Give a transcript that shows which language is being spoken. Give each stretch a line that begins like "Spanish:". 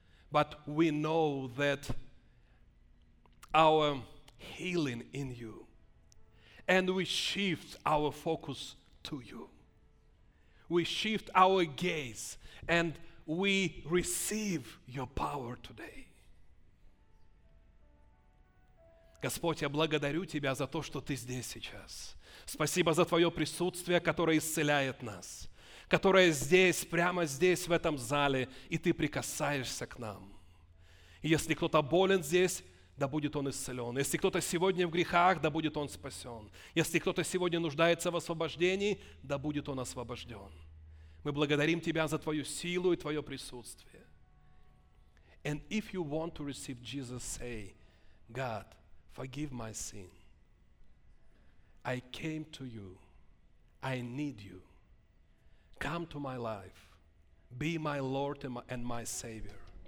English: But we know that our healing in you, and we shift our focus to you. We shift our gaze and we receive your power today.
Russian: Господь, я благодарю Тебя за то, что Ты здесь сейчас. Спасибо за Твое присутствие, которое исцеляет нас, которое здесь, прямо здесь, в этом зале, и Ты прикасаешься к нам. И если кто-то болен здесь, да будет он исцелен. Если кто-то сегодня в грехах, да будет он спасен. Если кто-то сегодня нуждается в освобождении, да будет он освобожден. Мы благодарим Тебя за Твою силу и Твое присутствие.
English: And if you want to receive Jesus, say, God, forgive my sin. I came to you. I need you. Come to my life. Be my Lord and my Savior.